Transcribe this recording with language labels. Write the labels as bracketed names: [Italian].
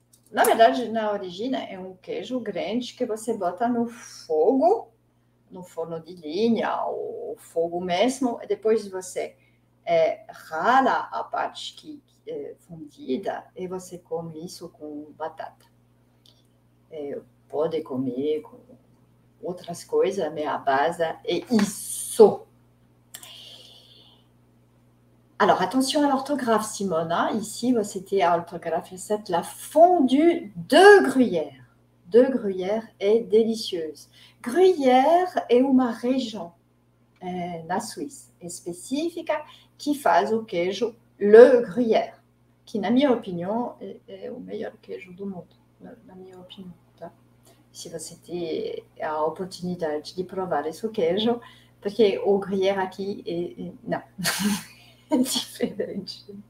[Portuguese] Na verdade, na origine, é queijo grande que você bota no fogo, no forno de linha, ou fogo mesmo, e depois você rala a parte que é fundida e você come isso com batata. Pode comer com outras coisas, mas a base é isso. [French] Alors, attention à l'orthographe, Simona. Ici, c'était à l'orthographe 7, la fondue de gruyère. De gruyère est délicieuse. Gruyère est uma région. [Portuguese] Na Suíça, específica, que faz o queijo le gruyère, que na minha opinião é o melhor queijo do mundo, na minha opinião, tá? Se você tem a oportunidade de provar esse queijo, porque o gruyère aqui não, é diferente.